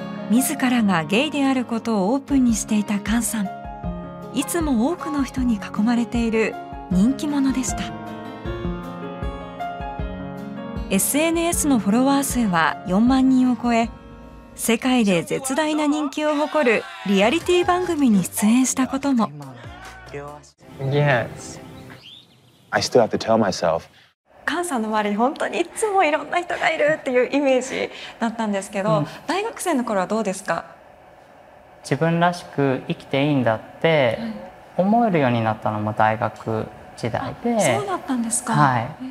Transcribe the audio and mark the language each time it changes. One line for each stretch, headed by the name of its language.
Japanese: 自らがゲイであることをオープンにしていた菅さん、いつも多くの人に囲まれている人気者でした。 SNS のフォロワー数は4万人を超え、世界で絶大な人気を誇るリアリティ番組に出演したことも。
English: Yes, I still have to tell myself。
Japanese: 菅さんの周りに本当にいつもいろんな人がいるっていうイメージだったんですけど、うん、大学生の頃はどうですか？自分らしく生きていいんだって思えるようになったのも大学時代で。そうだったんですか。はい。